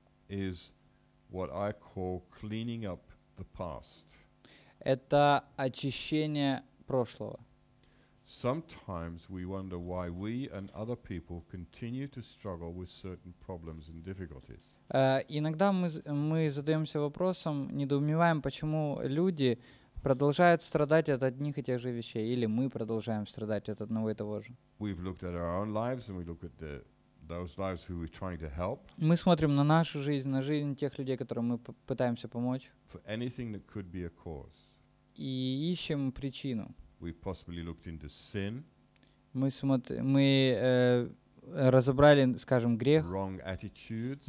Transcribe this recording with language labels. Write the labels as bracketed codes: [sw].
[en] Is what I call cleaning up the past. [ru] Это очищение прошлого. [en] Sometimes we wonder why we and other people continue to struggle with certain problems and difficulties. [ru] Иногда мы задаемся вопросом, недоумеваем, почему люди продолжают страдать от одних и тех же вещей, или мы продолжаем страдать от одного и того же. [en] We've looked at our own lives and we look at those lives who we're trying to help. [ru] Мы смотрим на нашу жизнь, на жизнь тех людей, которым мы пытаемся помочь. [en] For anything that could be a cause. [ru] И ищем причину. [en] We've possibly looked into sin. [ru] Мы разобрали, скажем, грех. [en] Wrong attitudes.